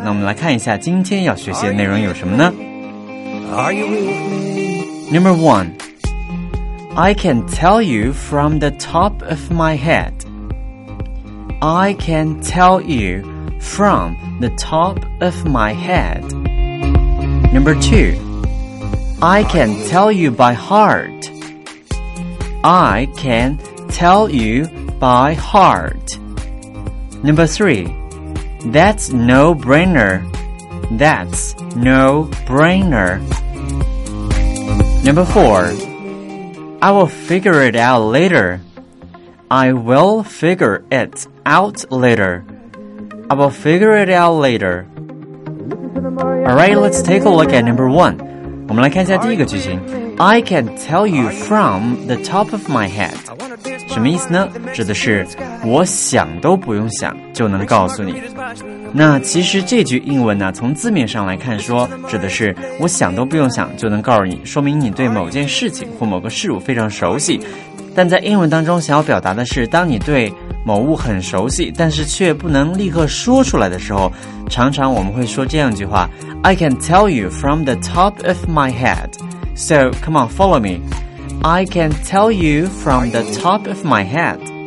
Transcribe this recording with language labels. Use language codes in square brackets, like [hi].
[zh] 那我们来看一下今天要学习的内容有什么呢？ [en] Are you with me? Number 1. I can tell you from the top of my head. I can tell you from the top of my head. Number 2. I can tell you by heart. I can tell you by heart. Number 3. That's no brainer. That's no brainer. Number 4. I will figure it out later. I will figure it out later. I will figure it out later. Alright, let's take a look at number 1. [zh] 我们来看一下第一个句型。 [en] I can tell you from the top of my head. [zh] 什么意思呢？指的是我想都不用想就能告诉你。那其实这句英文呢，从字面上来看说，指的是我想都不用想就能告诉你，说明你对某件事情或某个事物非常熟悉。但在英文当中想要表达的是，当你对某物很熟悉，但是却不能立刻说出来的时候，常常我们会说这样一句话， I can tell you from the top of my head. [en] So, come on, follow me. I can tell you from the top of my head.